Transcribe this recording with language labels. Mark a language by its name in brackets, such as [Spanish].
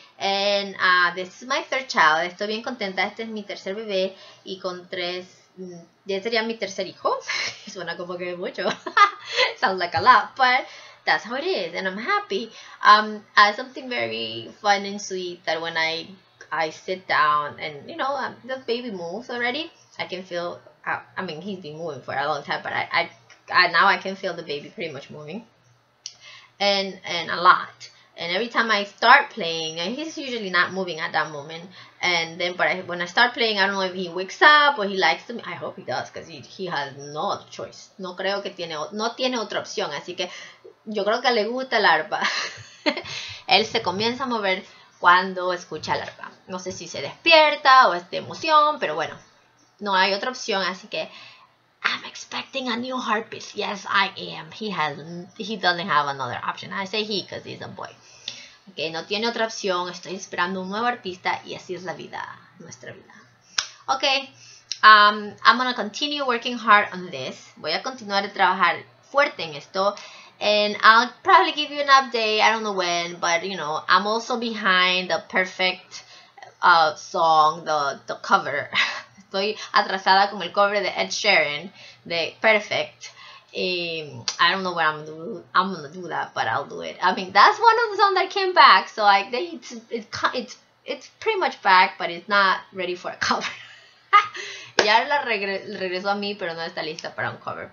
[English] And this is my third child. [Spanish] Estoy bien contenta, este es mi tercer bebé. Y con tres, ya sería mi tercer hijo. Suena como que mucho. [English] Sounds like a lot, but that's how it is. And I'm happy. Something very fun and sweet that when I sit down and, you know, the baby moves already. I can feel, I mean, he's been moving for a long time, but I now I can feel the baby pretty much moving. And a lot. And every time I start playing, and he's usually not moving at that moment. And then, but when I start playing, I don't know if he wakes up or he likes to, I hope he does, because he has no other choice. [Spanish] No creo que tiene, no tiene otra opción. Así que yo creo que le gusta el arpa. Él se comienza a mover cuando escucha el arpa. No sé si se despierta o es de emoción, pero bueno, no hay otra opción, así que [English] I'm expecting a new harpist. Yes, I am. He doesn't have another option. I say he because he's a boy. [Spanish] Okay, no tiene otra opción. Estoy esperando un nuevo artista y así es la vida, nuestra vida. [English] Okay, I'm gonna continue working hard on this. [Spanish] Voy a continuar a trabajar fuerte en esto. [English] And I'll probably give you an update, I don't know when, but you know, I'm also behind the perfect song, the cover. [Spanish] Estoy atrasada con el cover de Ed Sheeran, de Perfect. [English] I don't know what I'm gonna do that, but I'll do it. I mean, that's one of the songs that came back, so like it's pretty much back, but it's not ready for a cover. [Spanish] Ya la regresó a mí, pero no está lista para un cover.